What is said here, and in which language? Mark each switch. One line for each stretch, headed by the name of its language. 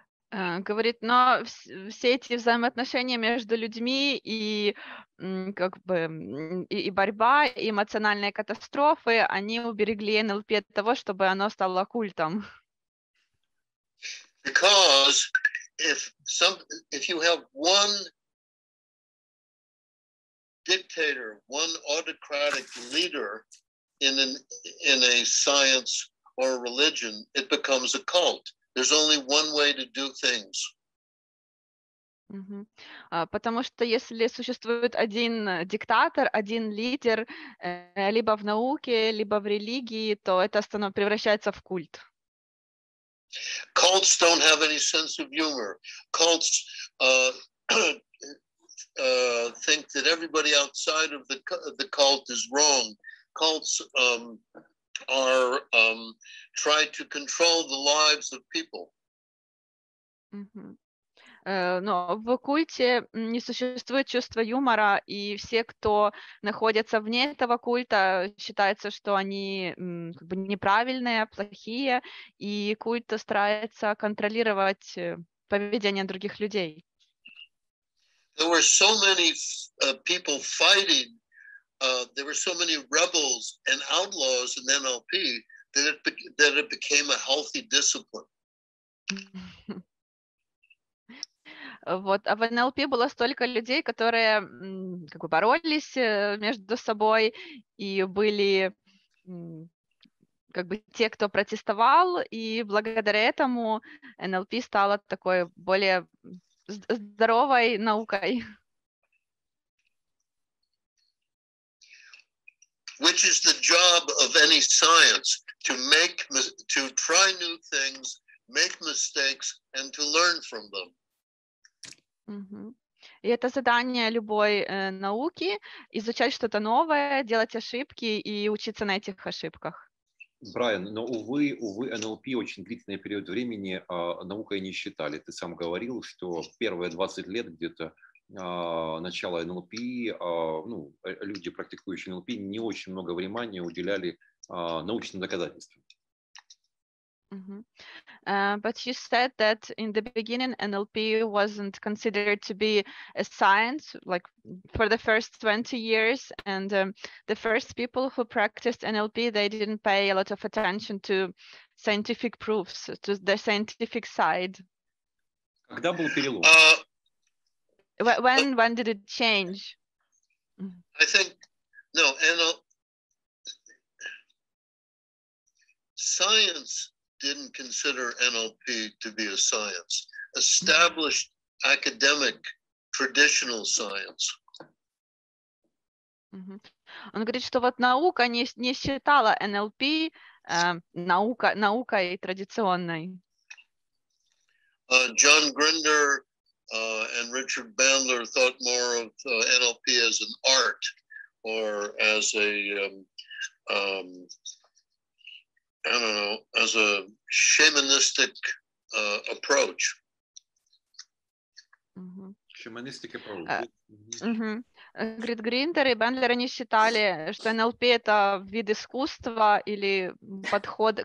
Russian: Говорит, но все эти взаимоотношения между людьми и как бы и борьба, и эмоциональные катастрофы, они уберегли НЛП от того, чтобы оно стало культом.
English: Because if you have one dictator, one autocratic leader in a science or a religion, it becomes a cult. There's only one way to do things.
Russian: Потому что если существует один диктатор, один лидер, либо в науке, либо в религии, то это превращается в культ.
English: Cults don't have any sense of humor. Cults think that everybody outside of the cult is wrong. Cults try to control the lives of people.
Russian: Но в культе не существует чувства юмора, и все, кто находится вне этого культа, считается, что они как бы неправильные, плохие, и культ старается контролировать поведение других людей.
English: There were so many people fighting, there were so many rebels and outlaws in NLP that it became a healthy discipline.
Russian: Вот, а в NLP было столько людей, которые как бы боролись между собой и были как бы те, кто протестовал, и благодаря этому NLP стала такой более здоровой наукой.
English: Which is the job of any science, to try new things, make mistakes, and to learn from them.
Russian: И это задание любой науки — изучать что-то новое, делать ошибки и учиться на этих ошибках. Брайан, но, увы, NLP очень длительный период времени наукой не считали. Ты сам говорил, что первые 20 лет где-то начала NLP, ну, люди, практикующие NLP, не очень много внимания уделяли научным доказательствам.
English: But you said that in the beginning NLP wasn't considered to be a science, like for the first 20 years, and the first people who practiced NLP, they didn't pay a lot of attention to scientific proofs, to the scientific side.
Russian: Когда был перелом?
English: When did it change? I think, no, NLP... Science didn't consider NLP to be a science. Established academic traditional science. Mm-hmm.
Russian: Он говорит, что вот наука не считала NLP наукой традиционной.
English: John Grinder and Richard Bandler thought more of NLP as an art or as a I don't know, as a shamanistic approach. Mm-hmm. Shamanistic approach.
Russian: Говорит, Гриндер и Бендлер, они считали, что NLP — это вид искусства или подход...